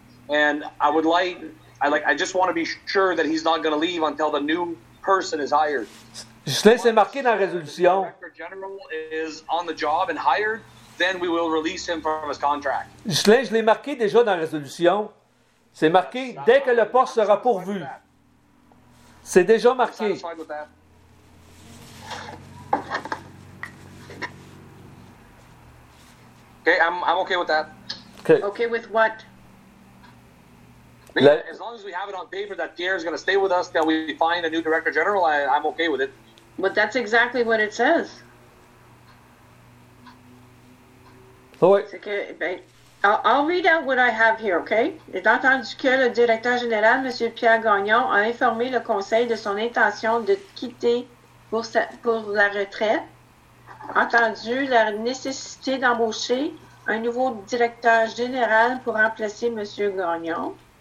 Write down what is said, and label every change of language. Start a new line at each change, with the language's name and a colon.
English: And I just want to be sure that he's not going to leave until the new person is hired.
French: Justin, c'est marqué dans la résolution.
English: If the director general is on the job and hired, then we will release him from his contract.
French: Justin, je l'ai marqué déjà dans la résolution. C'est marqué dès que le poste sera pourvu. C'est déjà marqué.
English: Okay, I'm okay with that. Okay. Okay with what? As long as we have it on paper that Pierre is going to stay with us till we find a new director general, I'm okay with it. But that's exactly what it says. Oh, wait. I'll read out what I have here, okay?
French: Étant entendu que le directeur général, M. Pierre Gagnon, a informé le conseil de son intention de quitter pour la retraite, entendu la nécessité d'embaucher un nouveau directeur général pour remplacer M. Gagnon.